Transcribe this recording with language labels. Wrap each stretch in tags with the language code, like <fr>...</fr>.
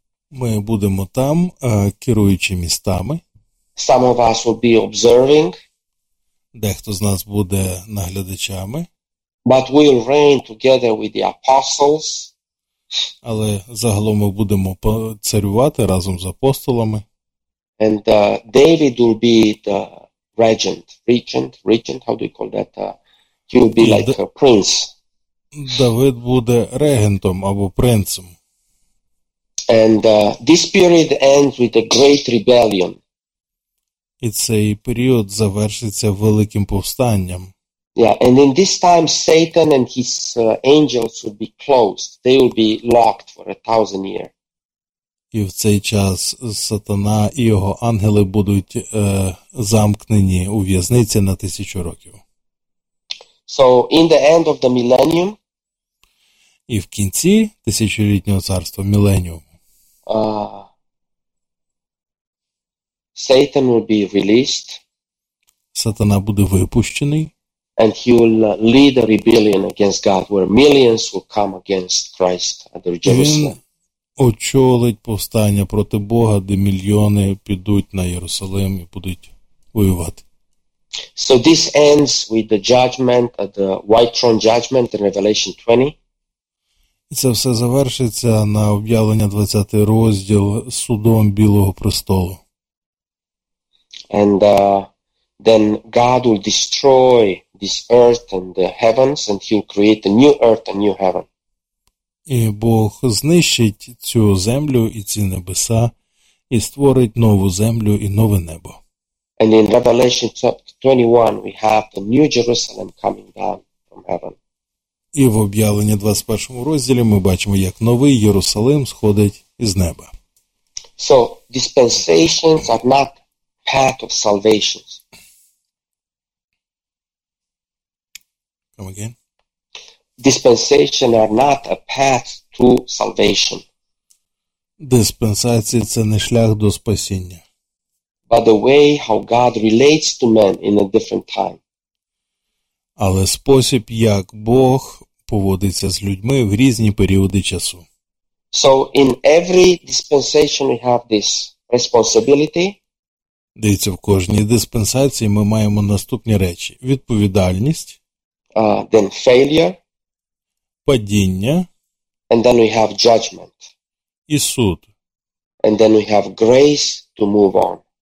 <uk>Ми будемо там, керуючи містами.</uk> <en>Some of us will be observing.</en> <uk>Дехто з нас буде наглядачами.</uk> <en>But we will reign together with the apostles.</en> <uk>Але загалом ми будемо царювати разом з апостолами.</uk> <en>And David will be the regent, how do you call that? He will be like a prince.</en> <uk>Давид буде регентом або принцем.</uk> <en>And this period ends with a great rebellion.</en> <uk>І цей період завершиться великим повстанням.</uk> <en>Yeah, and in this time Satan and his angels will be closed. They will be locked for 1000 years.</en> <uk>І в цей час сатана і його ангели будуть замкнені у в'язниці на 1000 років.</uk> <en>So in the end of the millennium.</en> <uk>І в кінці тисячолітнього царства міленіум.</uk> <en>Satan will be released.</en> <uk>Сатана буде випущений.</uk> <en>And he will lead a rebellion against God, where millions will come against Christ at Jerusalem.</en> <uk>Він очолить повстання проти Бога, де мільйони підуть на Єрусалим і будуть воювати.</uk> <en>So this ends with the judgment at the white throne judgment in Revelation 20.</en> <uk>І це все завершиться на об'явлення 20 розділ судом Білого Престолу.</uk> <en>And then God will destroy this earth and the heavens and he'll create a new earth and new heaven.</en> <uk>І Бог знищить цю землю і ці небеса і створить нову землю і нове небо.</uk> <en>And in Revelation 21 we have the New Jerusalem coming down from heaven.</en> <uk>І в об'явленні 21-му розділі ми бачимо, як новий Єрусалим сходить із неба.</uk> <en>So, dispensations are not part of salvations. Come again. Dispensation are not a path to salvation.</en> <uk>Диспенсація – це не шлях до спасіння.</uk> <en>But the way how God relates to men in a different time.</en> <uk>Але спосіб, як Бог поводиться з людьми в різні періоди часу.</uk> <en>So in every dispensation we have this responsibility.</en> <uk>Дивіться, в кожній диспенсації ми маємо наступні речі: відповідальність,</uk> <en>then failure,</en> <uk>падіння,</uk> <en>and then we have judgment,</en> <uk>і суд,</uk> <en>and then we have grace to move on,</en>